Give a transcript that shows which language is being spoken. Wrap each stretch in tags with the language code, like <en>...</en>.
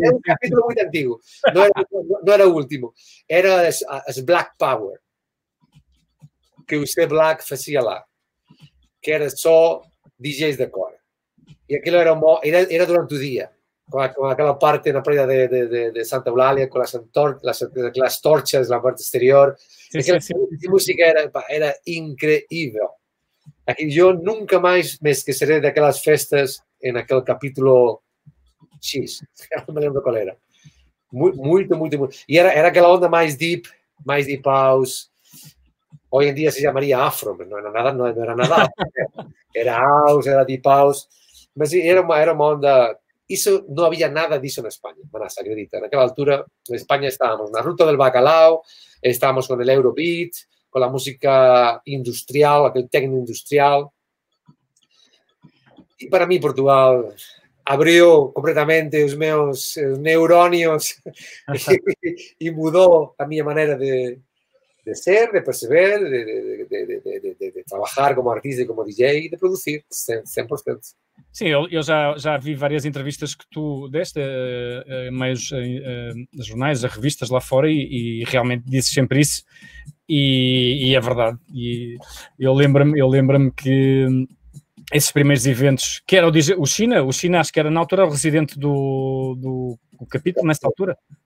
<pt>Era um capítulo muito antigo, não era o último. Era as Black Power, que o C Black fazia lá, que era só DJs de cor. E aquilo era durante o dia, com aquela parte na praia de Santa Eulália, com as torchas na parte exterior. Sim, aquela sim. Música era incrível.</pt> <es>Aquí yo nunca más me esqueceré de aquellas festas en aquel capítulo X. No me lembro cuál era. Muy. Y era aquella onda más deep house. Hoy en día se llamaría afro, pero no era nada. Era house, era deep house. Pero sí, era una onda. Eso no había nada de eso en España, para sacredita. En aquella altura, en España estábamos en la ruta del bacalao, estábamos con el Eurobeat, con la música industrial, aquel techno industrial. Y para mí Portugal abrió completamente los meus neurónios y mudó a mi manera de ser, de perceber, de trabajar como artista y como DJ y de producir 100%.</es> <pt>Sim, eu já vi várias entrevistas que tu deste, meios, jornais, a revistas lá fora, e realmente disse sempre isso, e é verdade. E eu lembro-me que esses primeiros eventos, que era o China, acho que era na altura o residente do capítulo, nessa altura.</pt>